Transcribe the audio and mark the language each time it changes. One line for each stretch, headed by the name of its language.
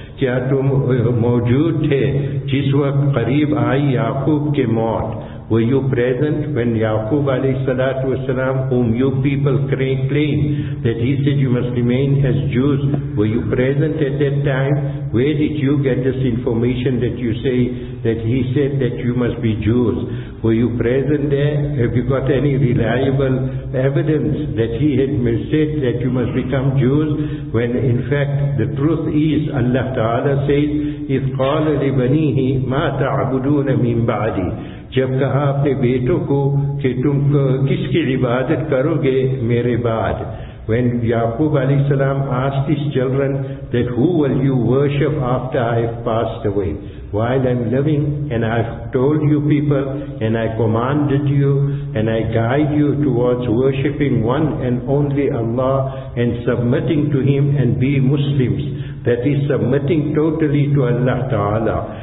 Urdu: کیا تو موجود تھے جس وقت قریب آئی یعقوب کے موت؟
English: Were you present when Yaqub alayhi salatu wasalam, whom you people claim that he said you must remain as Jews, were you present at that time? Where did you get this information that you say that he said that you must be Jews? Were you present there? Have you got any reliable evidence that he had said that you must become Jews? When in fact the truth is, Allah Ta'ala says,
Arabic: إِذْ قَالَ لِبَنِيهِ مَا تَعْبُدُونَ مِنْ بَعْدِ
Urdu: جب کہا اپنے بیٹوں کو کہ تم کس کی عبادت کرو گے میرے بعد.
English: When Yaqub alayhi salam asked his children that who will you worship after I have passed away, while I'm living and I've told you people and I commanded you and I guide you towards worshipping one and only Allah and submitting to him and be Muslims, that is submitting totally to Allah Ta'ala.